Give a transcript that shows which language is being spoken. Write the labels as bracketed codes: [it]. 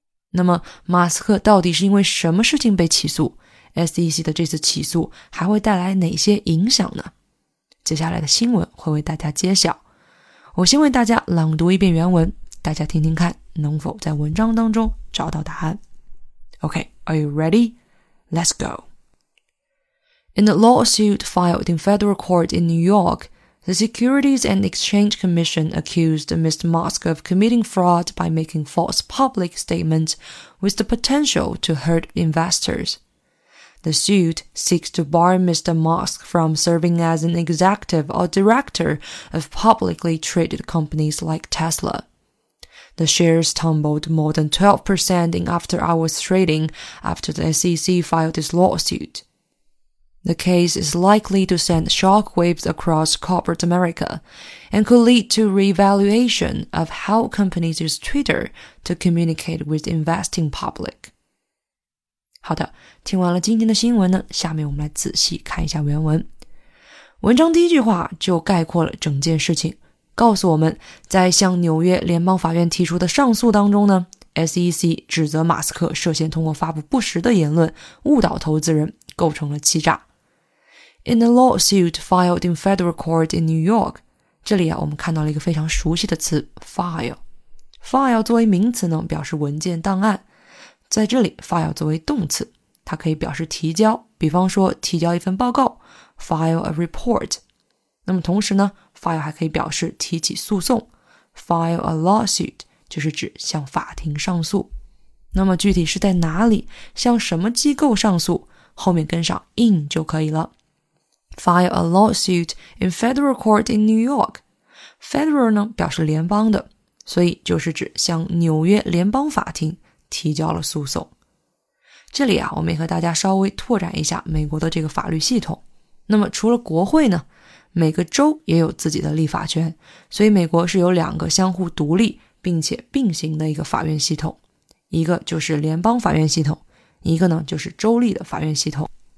[zh] 那么马斯克到底是因为什么事情被起诉？ SEC 的这次起诉还会带来哪些影响呢？接下来的新闻会为大家揭晓。我先为大家朗读一遍原文，大家听听看能否在文章当中找到答案。 [en] OK, are you ready? Let's go. In a lawsuit filed in federal court in New York, the Securities and Exchange Commission accused Mr. Musk of committing fraud by making false public statements with the potential to hurt investors. The suit seeks to bar Mr. Musk from serving as an executive or director of publicly traded companies like Tesla. The shares tumbled more than 12% in after-hours trading after the SEC filed its lawsuit. The case is likely to send shockwaves across corporate America and could lead to reevaluation of how companies use Twitter to communicate with investing public. [zh] 好的，听完了今天的新闻呢，下面我们来仔细看一下原文。文章第一句话就概括了整件事情，告诉我们在向纽约联邦法院提出的上诉当中呢，SEC 指责马斯克涉嫌通过发布不实的言论误导投资人，构成了欺诈。 [en] In a lawsuit filed in federal court in New York, [zh] 这里啊，我们看到了一个非常熟悉的词 file. File 作为名词呢，表示文件档案，在这里 file 作为动词，它可以表示提交，比方说提交一份报告， [en] file a report. [zh] 那么同时呢， file 还可以表示提起诉讼， [en] file a lawsuit. [zh] 就是指向法庭上诉。那么具体是在哪里，向什么机构上诉，后面跟上 in 就可以了。 [en] File a lawsuit in federal court in New York. [zh] Federal 呢表示联邦的，所以就是指向纽约联邦法庭提交了诉讼。这里啊，我们也和大家稍微拓展一下美国的这个法律系统。那么除了国会呢，每个州也有自己的立法权，所以美国是有两个相互独立并且并行的一个法院系统，一个就是联邦法院系统，一个呢就是州立的法院系统。